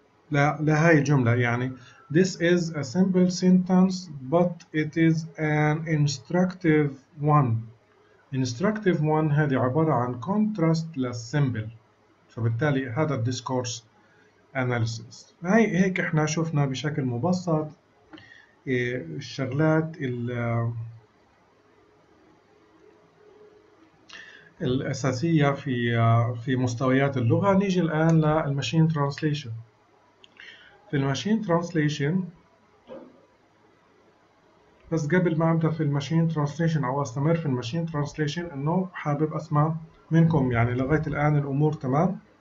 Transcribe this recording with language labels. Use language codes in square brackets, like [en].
[ar] لهذه الجملة، يعني [en] this is a simple sentence but it is an instructive one، instructive one [ar] هذه عبارة عن [en] contrast less symbol، [ar] فبالتالي هذا [en] discourse analysis. [ar] هاي هيك احنا شفنا بشكل مبسط الشغلات الأساسية في مستويات اللغة. نيجي الآن للماشين ترانسليشن. في الماشين ترانسليشن، بس قبل ما أبدأ في الماشين ترانسليشن أو أستمر في الماشين ترانسليشن، إنه حابب أسمع منكم يعني لغاية الآن الأمور تمام؟